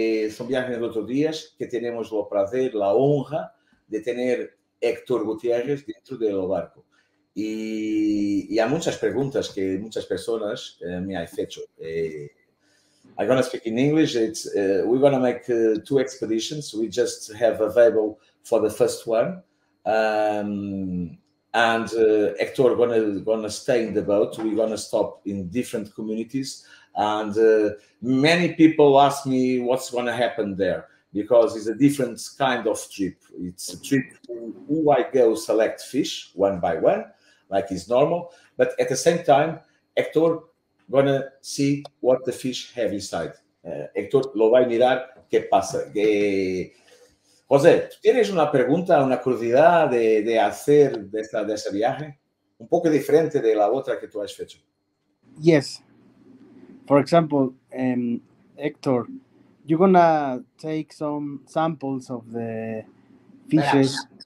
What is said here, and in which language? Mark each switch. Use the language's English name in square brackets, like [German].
[Spanish] Son viajes de 8 días que tenemos el placer, la honra de tener Héctor Gutiérrez dentro del barco. Y hay muchas preguntas que muchas personas me han hecho. [English] I'm going to speak in English. It's, we're going to make 2 expeditions. We just have available for the first one. Héctor going to stay in the boat. We're going to stop in different communities. And many people ask me what's going to happen there, because it's a different kind of trip. It's a trip who I go select fish one by one, like is normal, but at the same time, Héctor gonna see what the fish have inside. [Spanish] Héctor lo va a mirar qué pasa. José, ¿tienes una pregunta, una curiosidad de hacer de ese viaje? Un poco diferente de la otra que tú has hecho. [English] Yes. For example, Héctor, you're gonna take some samples of the fishes.